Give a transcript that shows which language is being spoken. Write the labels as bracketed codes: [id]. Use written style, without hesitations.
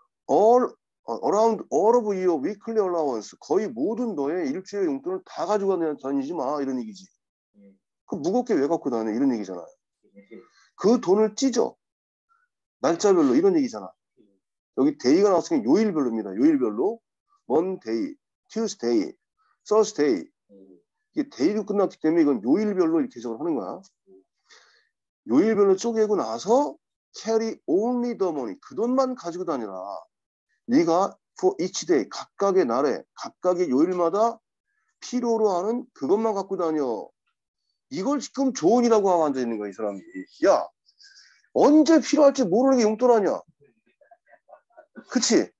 [en] All around of your weekly allowance. [ko] 거의 모든 너의 일주일 용돈을 다 가지고 다니지 마. 이런 얘기지. 그 무겁게 왜 갖고 다녀? 이런 얘기잖아. 그 돈을 찢어. 날짜별로. 이런 얘기잖아. 여기 데이가 나왔으니까 요일별로입니다. 요일별로. [en] Monday, Tuesday, Thursday. [ko] 이게 데이도 끝났기 때문에 이건 요일별로 이렇게 해석을 하는 거야. 요일별로 쪼개고 나서 [en] carry only the money. [ko] 그 돈만 가지고 다니라. 네가 [en] for each day, [ko] 각각의 날에, 각각의 요일마다 필요로 하는 그것만 갖고 다녀. 이걸 지금 조언이라고 하고 앉아 있는 거야, 이 사람이. 야, 언제 필요할지 모르는 게 용돈하냐. 그치?